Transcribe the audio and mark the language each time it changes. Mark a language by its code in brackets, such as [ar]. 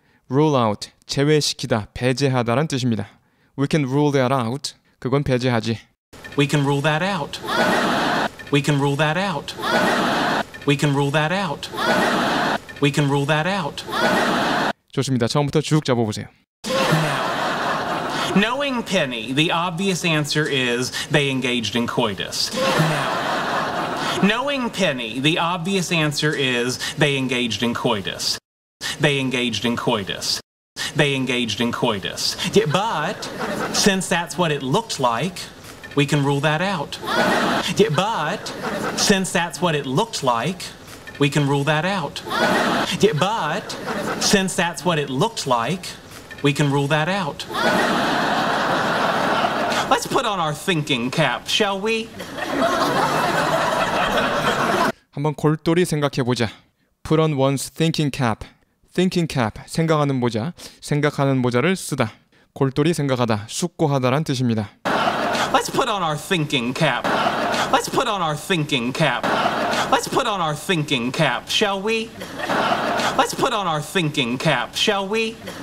[en] Rule out. [ko] 제외시키다. 배제하다란 뜻입니다. [en] We can rule that out. [ko] 그건 배제하지. [en] We can rule that out. We can rule that out. We can rule that out. We can rule that out. [ko] 좋습니다. 처음부터 쭉 잡아보세요. [en] Knowing Penny, the obvious answer is they engaged in coitus. Knowing Penny, the obvious answer is they engaged in coitus. They engaged in coitus. They engaged in coitus. But since that's what it looked like, we can rule that out. But since that's what it looked like, we can rule that out. But since that's what it looked like, we can rule that out. Let's put on our thinking cap, shall we? [ko] 한번 골똘히 생각해보자. [en] Put on one's thinking cap. Thinking cap, [ko] 생각하는 모자. 생각하는 모자를 쓰다. 골똘히 생각하다, 숙고하다란 뜻입니다. [en] Let's put on our thinking cap. Let's put on our thinking cap. Let's put on our thinking cap, shall we? Let's put on our thinking cap, shall we?